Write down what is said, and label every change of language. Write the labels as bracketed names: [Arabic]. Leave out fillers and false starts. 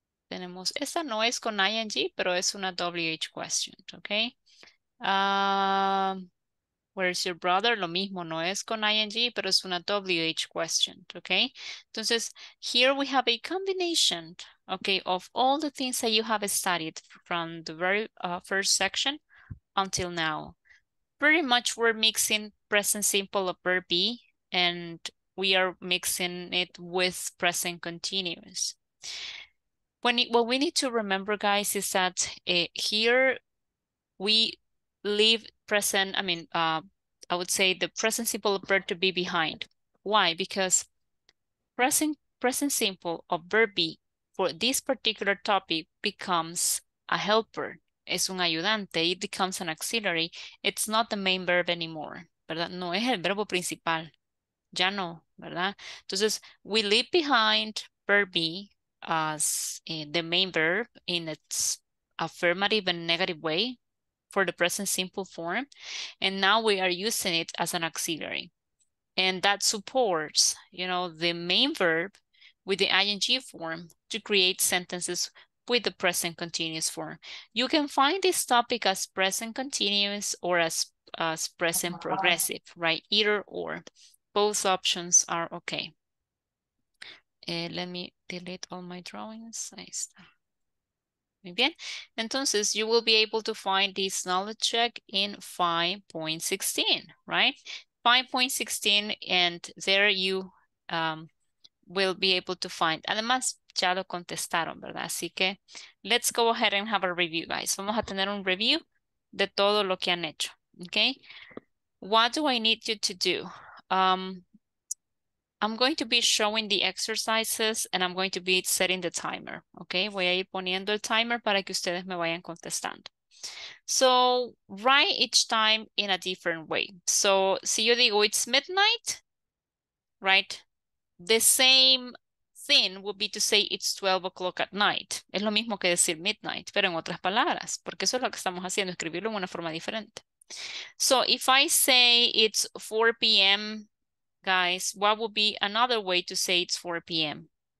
[Spanish] Tenemos, esta no es con ing, pero es una WH question. Okay. [English] Where's your brother? [Spanish] Lo mismo, no es con ing, pero es una WH question. [English] Okay. [Spanish] Entonces, [English] here we have a combination, okay, of all the things that you have studied from the very first section until now. Pretty much we're mixing present simple of verb be, and we are mixing it with present continuous. What we need to remember, guys, is that here we leave present, I would say the present simple of verb to be behind. Why? Because present simple of verb be for this particular topic becomes a helper. [Spanish] Es un ayudante, [English] it becomes an auxiliary. It's not the main verb anymore, [Spanish] ¿verdad? No es el verbo principal, ya no, ¿verdad? Entonces, [English] we leave behind verb be as the main verb in its affirmative and negative way for the present simple form. And now we are using it as an auxiliary. And that supports, you know, the main verb with the ing form to create sentences with the present continuous form. You can find this topic as present continuous or as present progressive, right? Either or, both options are okay. Let me delete all my drawings. [Spanish] Ahí está. Muy bien. Entonces, [English] you will be able to find this knowledge check in 5.16, right? 5.16, and there you will be able to find. [Spanish] Además, ya lo contestaron, ¿verdad? Así que, [English] let's go ahead and have a review, guys. [Spanish] Vamos a tener un review de todo lo que han hecho, okay? [English] What do I need you to do? I'm going to be showing the exercises and I'm going to be setting the timer, okay? [Spanish] Voy a ir poniendo el timer para que ustedes me vayan contestando. [English] So, write each time in a different way. So, [Spanish] si yo digo, [English] it's midnight, right? The same thing would be to say it's 12 o'clock at night. [Spanish] Es lo mismo que decir midnight, pero en otras palabras, porque eso es lo que estamos haciendo, escribirlo en una forma diferente. [English] So if I say it's 4 p.m., guys, what would be another way to say it's 4 p.m.?